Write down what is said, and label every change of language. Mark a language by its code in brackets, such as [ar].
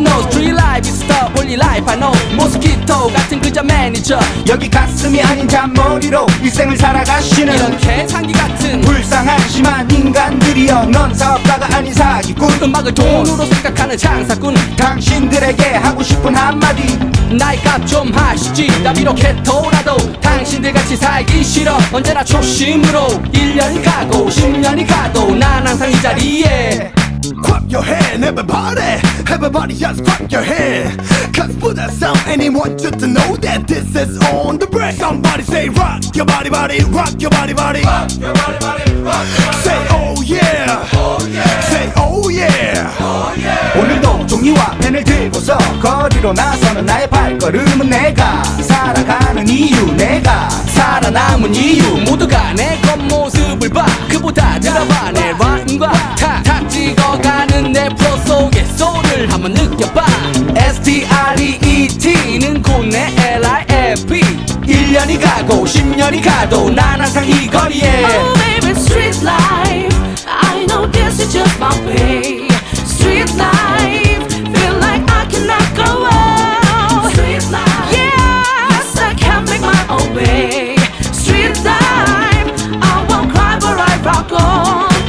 [en] Street life is the only life I know. Mosquito 같은 [ko] 같은 그저 매니저. 여기 가슴이 아닌 잔머리로 일생을 살아가시는 이런 개창기 같은 불쌍하지만 인간들이여, 넌 사업가가 아닌 사기꾼. 음악을 돈으로 생각하는 장사꾼. 당신들에게 하고 싶은 한마디, 나이 값 좀 하시지. 나 비록 해토라도 당신들 같이 살기 싫어. 언제나 초심으로 1년이 가고 10년이 가도 난 항상 이 자리에. [en] Clap your hand, everybody. Everybody just clap your hand. Cause for that sound, anyone just to know that this is on the break. Somebody say rock your body, body, rock your body, body. Rock your body, body, rock your body, body. Say oh yeah, oh yeah. Say oh yeah, oh yeah. [ko] 오늘도 종이와 펜을 들고서 거리로 나서는 나의 발걸음은 내가 살아가는 이유, 내가 살아남은 이유. 모두가 내 겉모습을 봐. 그보다 들어봐 내 rhyme과 탁탁 찍어가는 내 프로 속의 소울을 한번 느껴봐. S.T.R.E.E.T는 곧 내 L.I.F.E. 1년이 가고 10년이 가도 난 항상 이 거리에. [en] Oh baby, street life, I know this is just my way. Street life, feel like I cannot go on. Street life, yeah, yes I can make my own way. Street life, I won't cry but I rock on.